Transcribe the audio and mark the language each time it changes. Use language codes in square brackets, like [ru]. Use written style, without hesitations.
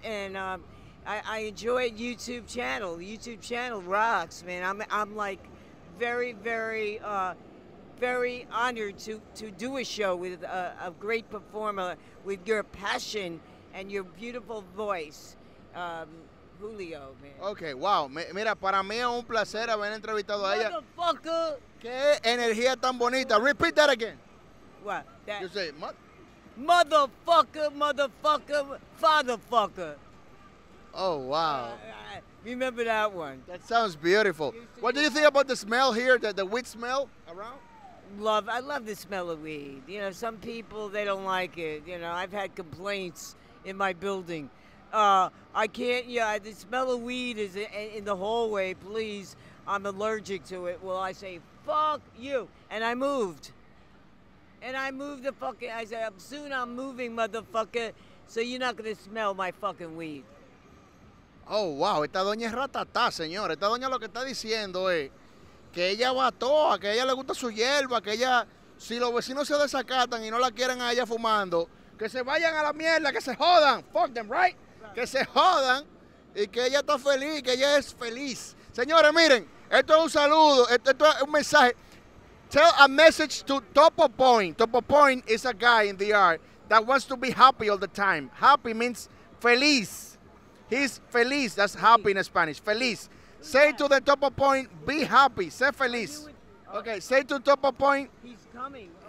[en] And I enjoy YouTube channel. YouTube channel rocks, man. I'm like very, very, very honored to do a show with a great performer with your passion and your beautiful voice. Julio, man. Okay, wow. [es] Mira, para mí es un placer haber entrevistado a ella. [en] Motherfucker. [es] Qué energía tan bonita. [en] Repeat that again. What? That? You say, motherfucker, fatherfucker. Oh, wow. Remember that one. That sounds beautiful. What do you think about the smell here, the weed smell around? I love the smell of weed. You know, some people, they don't like it. You know, I've had complaints in my building. The smell of weed is in the hallway, please. I'm allergic to it. Well, I say, fuck you. And I moved the fucking, I said, soon I'm moving, motherfucker, so you're not going to smell my fucking weed. [es] Oh, wow. Esta doña es ratatá, señor. Esta doña lo que está diciendo es que ella va a toa, que a ella le gusta su hierba, que ella, si los vecinos se desacatan y no la quieren a ella fumando, que se vayan a la mierda, que se jodan. [en] Fuck them, right? [es] Que se jodan y que ella está feliz, que ella es feliz. Señores, miren, esto es un saludo, esto es un mensaje. [en] Tell a message to Topo Point. Topo Point is a guy in the art that wants to be happy all the time. Happy means feliz. He's feliz. That's happy in Spanish. Feliz. Say to the Topo Point, be happy. Say feliz. Okay, say to Topo Point. He's coming.